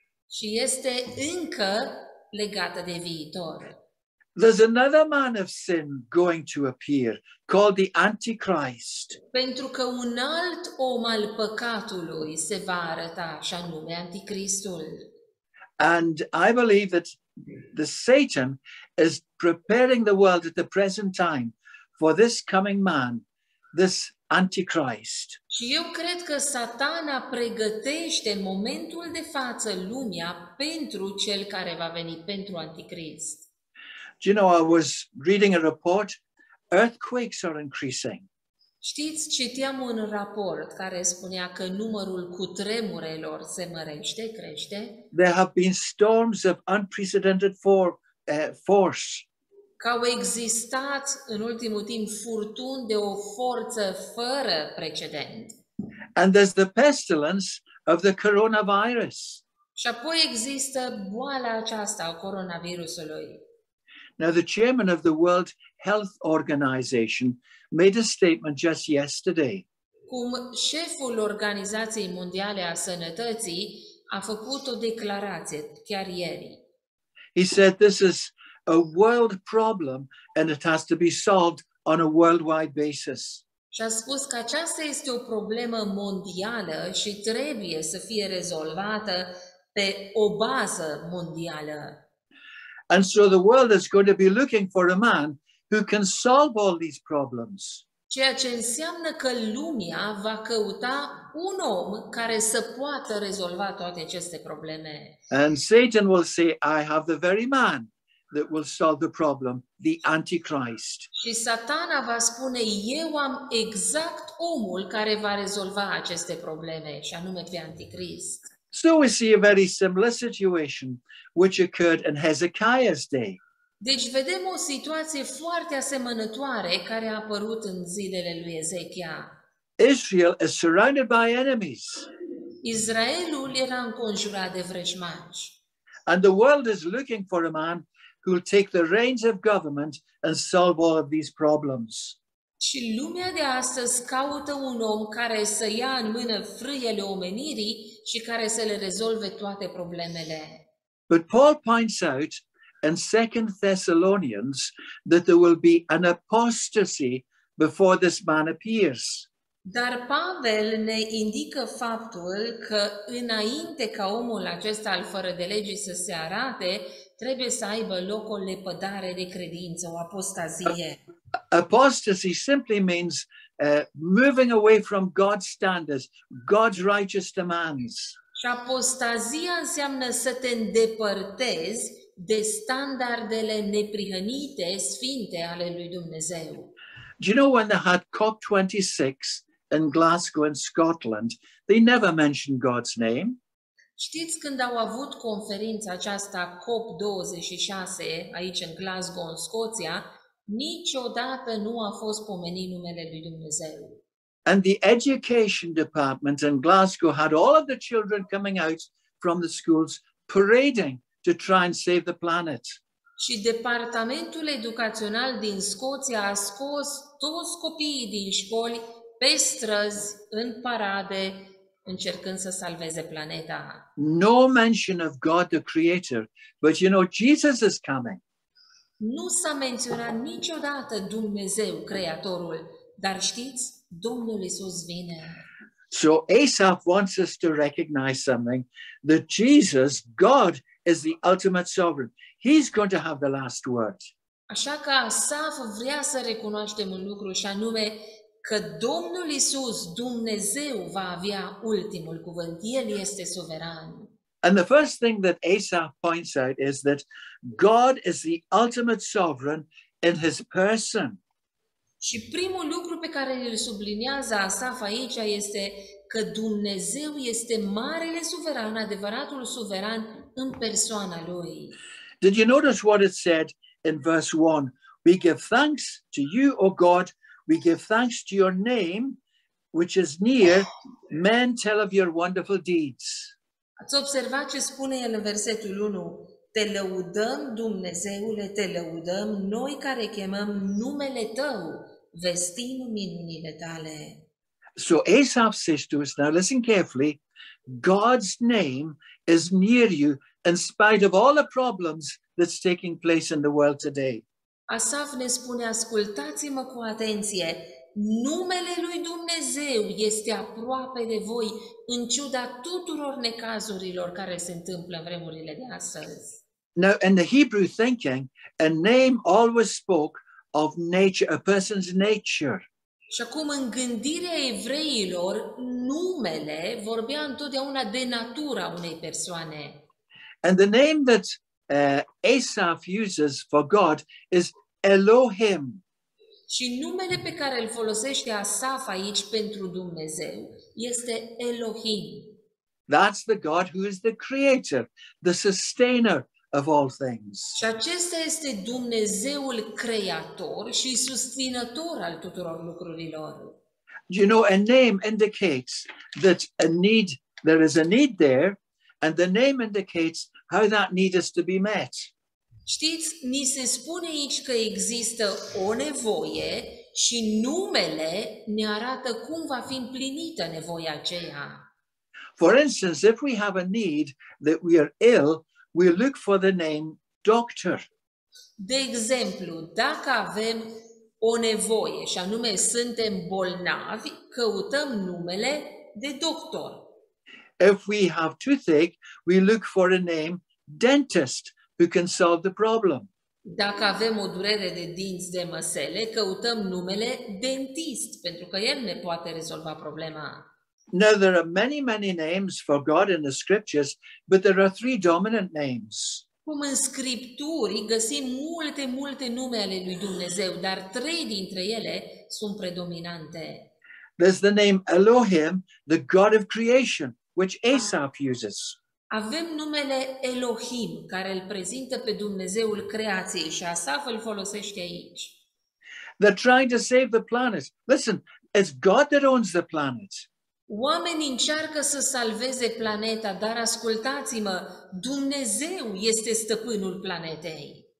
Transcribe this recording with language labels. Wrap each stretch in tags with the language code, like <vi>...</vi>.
<ro>Și este încă legată de viitor.</ro> <en>There's another man of sin going to appear, called the Antichrist.</en> <ro>Pentru că un alt om al păcatului se va arăta, și anume Anticristul.</ro> <en>And I believe that the Satan is preparing the world at the present time for this coming man, this Antichrist.</en> <ro>Și eu cred că Satana pregătește în momentul de față lumea pentru cel care va veni, pentru Anticrist.</ro> <en>Do you know, I was reading a report, earthquakes are increasing.</en> <ro>Știți, citeam un raport care spunea că numărul cutremurelor se mărește, crește.</ro> <en>There have been storms of unprecedented force.</en> <ro>Că au existat în ultimul timp furtuni de o forță fără precedent.</ro> <en>And there's the pestilence of the coronavirus.</en> <ro>Și apoi există boala aceasta a coronavirusului.</ro> <en>Now the chairman of the World Health Organization made a statement just yesterday.</en> <ro>Cum șeful Organizației Mondiale a Sănătății a făcut o declarație chiar ieri.</ro> <en>He said this is a world problem and it has to be solved on a worldwide basis.</en> <ro>Și a spus că aceasta este o problemă mondială și trebuie să fie rezolvată pe o bază mondială.</ro> <en>And so the world is going to be looking for a man who can solve all these problems.</en> <ro>Ceea ce înseamnă că lumea va căuta un om care să poată rezolva toate aceste probleme.</ro> <en>And Satan will say, I have the very man that will solve the problem, the Antichrist.</en> <ro>Și Satana va spune, eu am exact omul care va rezolva aceste probleme, și anume pe Antichrist.</ro> <en>So we see a very similar situation which occurred in Hezekiah's day.</en> <ro>Deci vedem o situație foarte asemănătoare care a apărut în zilele lui Ezechia.</ro> <en>Israel is surrounded by enemies.</en> <ro>Israelul era înconjurat de vrăjmași.</ro> <en>And the world is looking for a man who will take the reins of government and solve all of these problems.</en> <ro>Și lumea de astăzi caută un om care să ia în mână frâiele omenirii și care să le rezolve toate problemele.</ro> <en>But Paul points out in 2 Thessalonians that there will be an apostasy before this man appears.</en> <ro>Dar Pavel ne indică faptul că înainte ca omul acesta al fără de lege să se arate, trebuie să aibă loc o lepădare de credință, o apostazie.</ro> <en>Apostasy simply means moving away from God's standards, God's righteous demands.</en> <ro>Și apostazia înseamnă să te îndepărtezi de standardele neprihănite, sfinte ale lui Dumnezeu.</ro> <en>Do you know when they had COP26 in Glasgow in Scotland, they never mentioned God's name?</en> <ro>Știți când au avut conferința aceasta COP26 aici în Glasgow, în Scoția, niciodată nu a fost pomenit numele lui Dumnezeu.</ro> <en>And the education department in Glasgow had all of the children coming out from the schools parading to try and save the planet.</en> <ro>Și departamentul educațional din Scoția a scos toți copiii din școli pe străzi în parade încercând să salveze planeta.</ro> <en>No mention of God the creator, but you know Jesus is coming.</en> <ro>Nu s-a menționat niciodată Dumnezeu creatorul, dar știți, Domnul Iisus vine.</ro> <en>So Asaph wants us to recognize something, that Jesus, God, is the ultimate sovereign. He's going to have the last word.</en> <ro>Așa că Asaf vrea să recunoaștem un lucru și anume că Domnul Iisus, Dumnezeu, va avea ultimul cuvânt. El este suveran.</ro> <en>And the first thing that Asaf points out is that God is the ultimate sovereign in his person.</en> <ro>Și primul lucru pe care îl subliniază Asaf aici este că Dumnezeu este marele suveran, adevăratul suveran în persoana lui.</ro> <en>Did you notice what it said in verse 1? We give thanks to you, O God, we give thanks to your name, which is near, men tell of your wonderful deeds.</en> <ro>Ați observat ce spune el în versetul 1? Te lăudăm, Dumnezeule, te lăudăm, noi care chemăm numele tău, vestim minunile tale.</ro> <en>So Asaph says to us, now listen carefully, God's name is near you in spite of all the problems that's taking place in the world today.</en> <ro>Asaf ne spune, ascultați-mă cu atenție, numele lui Dumnezeu este aproape de voi în ciuda tuturor necazurilor care se întâmplă în vremurile de astăzi.</ro> <en>Now, in the Hebrew thinking, a name always spoke of nature, a person's nature.</en> <ro>Și acum, în gândirea evreilor, numele vorbea întotdeauna de natura unei persoane.</ro> <en>And the name that Asaph uses for God is Elohim.</en> <ro>Și numele pe care îl folosește Asaf aici pentru Dumnezeu este Elohim.</ro> <en>That's the God who is the creator, the sustainer of all things.</en> <ro>Și acesta este Dumnezeul creator și susținător al tuturor lucrurilor.</ro> <en>You know, a name indicates that a need, there is a need there, and the name indicates how that need is to be met.</en> <ro>Știți, ni se spune aici că există o nevoie și numele ne arată cum va fi împlinită nevoia aceea.</ro> <en>For instance, if we have a need that we are ill, we look for the name doctor.</en> <ro>De exemplu, dacă avem o nevoie și anume suntem bolnavi, căutăm numele de doctor.</ro> <en>If we have toothache, we look for a name dentist, who can solve the problem.</en> <ro>Dacă avem o durere de dinți de măsele, căutăm numele dentist, pentru că el ne poate rezolva problema.</ro> <en>No, there are many, many names for God in the scriptures, but there are three dominant names.</en> <ro>Cum în scripturi găsim multe, multe nume ale lui Dumnezeu, dar trei dintre ele sunt predominante.</ro> <en>There's the name Elohim, the God of creation, which Asaf uses.</en> <ro>Avem numele Elohim, care îl prezintă pe Dumnezeul creației și Asaf îl folosește aici.</ro> <en>They're trying to save the planet. Listen, it's God that owns the planet.</en> <ro>Oamenii încearcă să salveze planeta, dar ascultați-mă, Dumnezeu este stăpânul planetei.</ro>